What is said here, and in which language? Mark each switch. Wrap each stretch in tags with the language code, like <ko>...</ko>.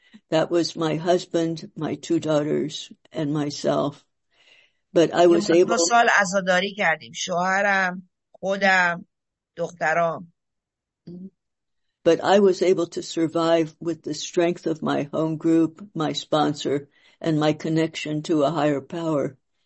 <en>That was my husband, my two daughters, and myself. But I was</en> <fa>دو</fa> <en>able.</en> <fa>سال عزاداری کردیم، شوهرم، خودم، دخترام.</fa> <en>But I was able to survive with the strength of my home group, my sponsor, and my connection to a higher power.</en>